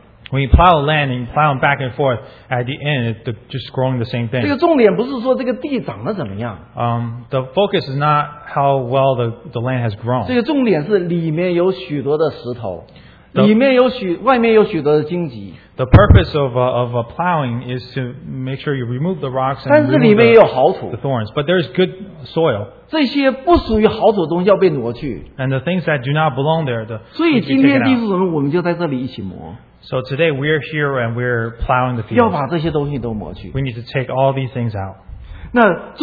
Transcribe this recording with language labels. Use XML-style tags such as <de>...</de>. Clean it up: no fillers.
<en>when you plow the land and you plow them back and forth, at the end, it's just growing the same thing.</en> <zh>这个重点不是说这个地长得怎么样。</zh> <en>The focus is not how well the land has grown.</en> <zh>这个重点是里面有许多的石头, 里面有许, 外面有许多的荆棘。</zh> <en>The purpose of plowing is to make sure you remove the rocks and</en> <zh>但是里面也有好土,</zh> <en>the thorns. But there's good soil.</en> <zh>这些不属于好土的东西要被挪去。</zh> <en>And the things that do not belong there, the</en> <zh>所以今天弟兄们我们就在这里一起磨。</zh> <en>So today we're here and we're plowing the fields. We need to take all these things out.</en>